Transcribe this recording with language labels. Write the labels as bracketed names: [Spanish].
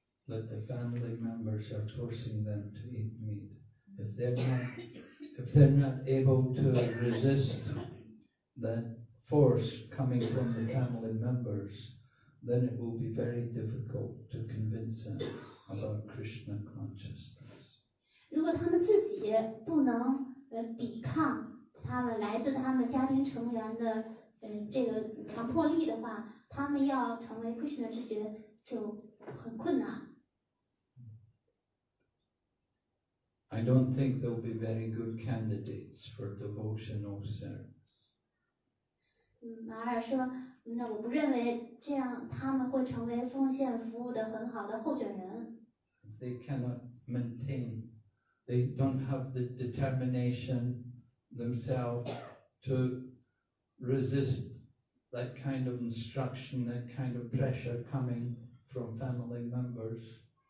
[English] That the family members are forcing them to eat meat. If they're not able to resist that force coming from the family members, then it will be very difficult to convince them about Krishna consciousness. [Chinese] 如果他们自己不能抵抗他们来自他们家庭成员的这个强迫力的话，他们要成为 Krishna 知觉就很困难。 [English] I don't think they'll be very good candidates for devotional service. [Chinese] Maharaj 说，那我不认为这样他们会成为奉献服务的很好的候选人。 [English] They cannot maintain, they don't have the determination themselves to resist that kind of instruction, that kind of pressure coming from family members.